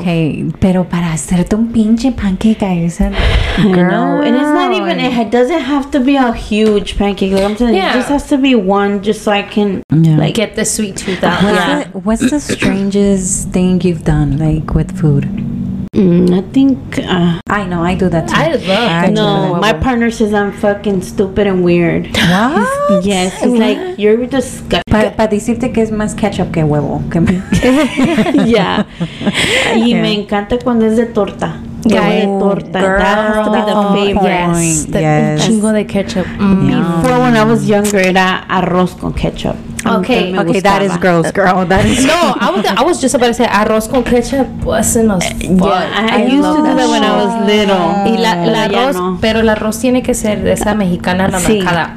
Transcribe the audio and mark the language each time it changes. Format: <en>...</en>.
<es>Okay, pero para hacerte un pinche pancake, guys.</es> <en>No, and it's not even, it doesn't have to be a huge pancake. Like I'm telling you, it just has to be one just so I can like get the sweet tooth out. What's the strangest thing you've done, like, with food? I think I know, I do that too. I love No, my partner says I'm fucking stupid and weird. What? Yes, he's like, you're disgusting.</en> <es>Para decirte que es más ketchup que huevo. Yeah. Y me encanta cuando es de torta.</es> <en>Guy, torta, that has to be the favorite. Yes,</en> <es>chingo de ketchup.</es> <en>Before, when I was younger,</en> <es>era arroz con ketchup.</es> <en>Okay, that is gross, girl. That is no. I was just about to say</en> <es>arroz con ketchup</es> <en>wasn't. Yeah, I used to do that when I was little.</en> <es>Y la arroz, pero el arroz tiene que ser de esa mexicana remolcada.</es>